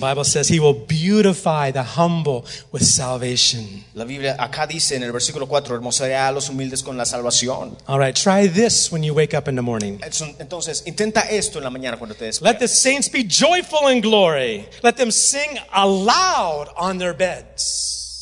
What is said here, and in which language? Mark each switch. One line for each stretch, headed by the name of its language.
English: The Bible says he will beautify the humble with salvation.
Spanish: La Biblia acá dice en el versículo 4, hermoseará a los humildes con la salvación.
English: All right, try this when you wake up in the morning.
Spanish: Entonces, intenta esto en la mañana cuando te despiertes.
English: Let the saints be joyful in glory. Let them sing aloud on their beds.